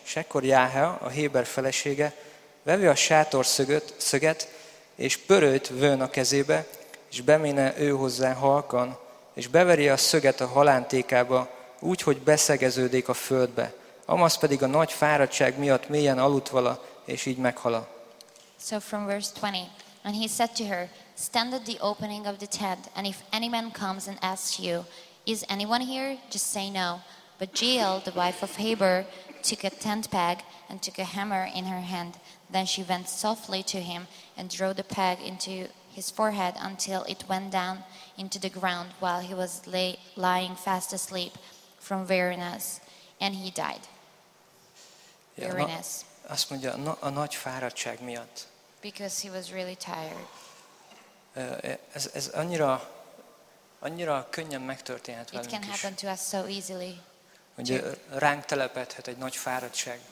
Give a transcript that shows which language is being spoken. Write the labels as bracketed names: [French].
[Hungarian] És ekkor Jahel, a héber felesége, vevő a sátor szöget, és pörőt vőn a kezébe, és beméne ő hozzá halkan, és beveri a szöget a halántékába, úgy, hogy beszegeződik a földbe. Amaz pedig a nagy fáradtság miatt mélyen aludt vala, és így meghala. [English] So from verse 20, and he said to her, stand at the opening of the tent, and if any man comes and asks you, is anyone here? Just say no. But Jael, the wife of Heber, took a tent peg and took a hammer in her hand. Then she went softly to him and drove the peg into his forehead until it went down into the ground while he was lying fast asleep from weariness, and he died. Weariness. [Hungarian] Ja, azt mondja, a nagy fáradtság miatt. [English] Because he was really tired. [Hungarian] Ez annyira könnyen megtörténhet velünk is. [English] It can happen to us so easily. [Hungarian] Hogy ránk telepedhet egy nagy fáradtság.